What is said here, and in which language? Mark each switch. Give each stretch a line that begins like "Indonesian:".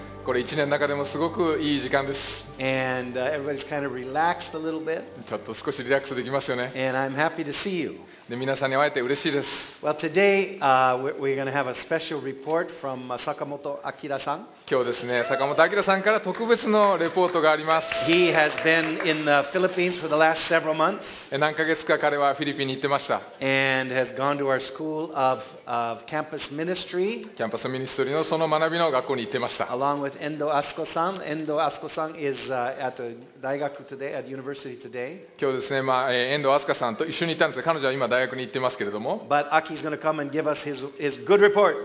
Japanese: これ一年の中でもすごくいい時間です。
English: And, everybody's kind of relaxed a little bit.
Japanese: ちょっと少しリラックスできますよね。
English: And I'm happy to see you.
Japanese: で皆さんに会えて嬉しいです。
English: Well, today, we're going to have a special report from 坂本明さん。
Japanese: 今日ですね、坂本明さんから特別のレポートがあります。
English: He has been in the Philippines for the last several months.
Japanese: 何ヶ月か彼はフィリピンに行ってました。
English: And has gone to our school of, campus ministry.
Japanese: キャンパスミニストリーのその学びの学校に行ってました。
English: Along with Endo Asuko-san. Endo Asuko-san is, at the 大学 today, at university today.
Japanese: 今日ですね、まあ、遠藤飛鳥さんと一緒にいたんですが、彼女は今大学に行ってますけれども。
English: But Aki's going to come and give us his, good report.